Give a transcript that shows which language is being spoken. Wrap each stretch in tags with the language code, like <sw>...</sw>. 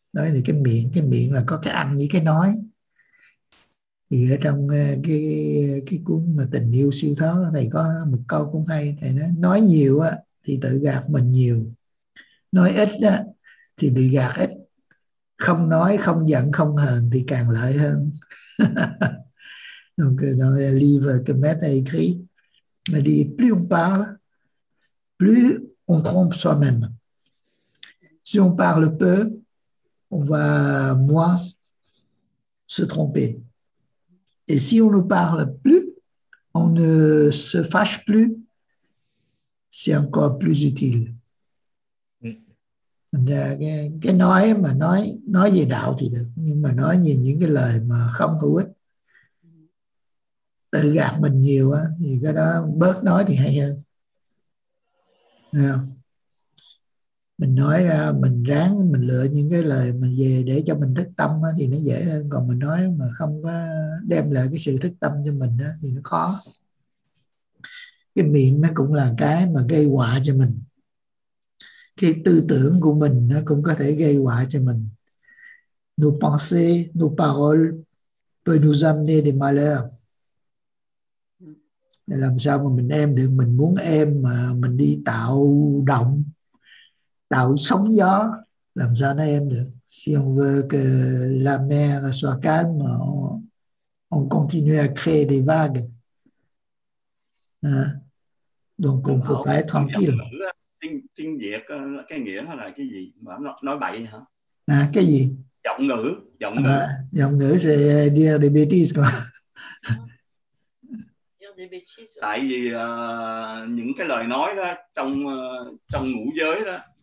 <vi>Đó thì cái miệng là có cái ăn với cái nói. Thì ở trong cái cuốn mà Tình Yêu Siêu Thoát, thầy có một câu cũng hay. Thầy nói nhiều á, thì tự gạt mình nhiều. Nói ít á, thì bị gạt ít. Không nói, không giận, không hờn thì càng lợi hơn.</vi> <fr>Donc, dans le livre que Matt a écrit, il m'a dit, plus on parle, plus on trompe soi-même. Si on parle peu, on va moins se tromper. Et si on ne parle plus, on ne se fâche plus, c'est encore plus utile. Mm.</fr> <vi>Cái nói mà nói về đạo thì được, nhưng mà nói về những cái lời mà không hữu ích, tự gạt mình nhiều á, thì cái đó bớt nói thì hay hơn. Mình nói ra, mình ráng, mình lựa những cái lời mình về để cho mình thức tâm á, thì nó dễ hơn. Còn mình nói mà không có đem lại cái sự thức tâm cho mình á, thì nó khó. Cái miệng nó cũng là cái mà gây họa cho mình. Cái tư tưởng của mình nó cũng có thể gây họa cho mình.</vi> <fr>Nos pensées, nos paroles peuvent nous amener des malheurs.</fr> <vi>Để làm sao mà mình em được, mình muốn em mà mình đi tạo động, tạo sóng gió, làm sao nó êm được.</vi> <fr>Si on veut que la mer soit calme, on continue à créer des vagues. Donc on peut pas être tranquille.</fr> <vi>Tiếng Việt cái nghĩa nó là cái gì mà nói bậy hả? À, cái gì? Giọng ngữ</vi> <fr>c'est dire des bêtises. Dire des bêtises.</fr> <vi>Tại vì những cái lời nói đó trong ngũ giới đó,</vi>